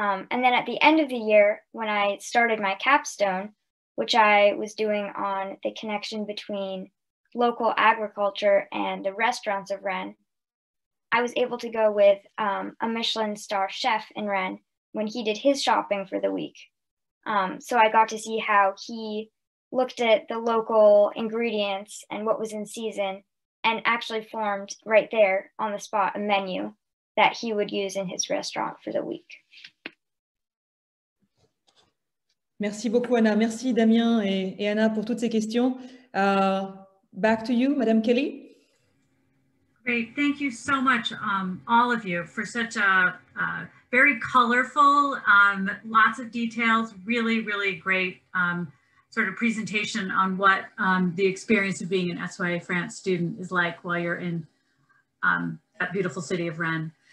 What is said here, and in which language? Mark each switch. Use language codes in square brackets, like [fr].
[en] And then at the end of the year, when I started my capstone, which I was doing on the connection between local agriculture and the restaurants of Rennes, I was able to go with a Michelin star chef in Rennes when he did his shopping for the week. So I got to see how he looked at the local ingredients and what was in season and actually formed right there on the spot a menu that he would use in his restaurant for the week. [fr] Merci beaucoup, Anna. Merci, Damien et Anna, pour toutes ces questions. [en] Back to you, Madame Kelly. Great. Thank you so much, all of you, for such a very colorful, lots of details, really, really great sort of presentation on what the experience of being an SYA France student is like while you're in that beautiful city of Rennes.